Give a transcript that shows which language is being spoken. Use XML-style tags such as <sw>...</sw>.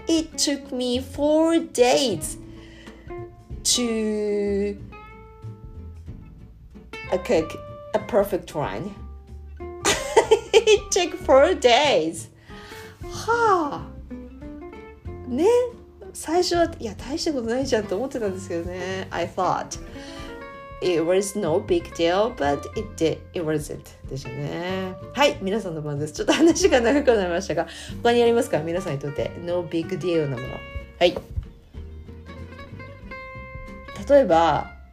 <en>It took me 4 days to cook a perfect one. It took 4 days. はあ。ね。</en> <ja>最初は、いや、大したことないじゃんと思ってたんですけどね。</ja> <en>I thought it was no big deal, but it did. It wasn't.</en> <ja>でしたね。はい、皆さんの番です。ちょっと話が長くなりましたが、他にありますか？皆さんにとって</ja> <en>no big deal</en> <ja>なもの。はい。例えば、</ja>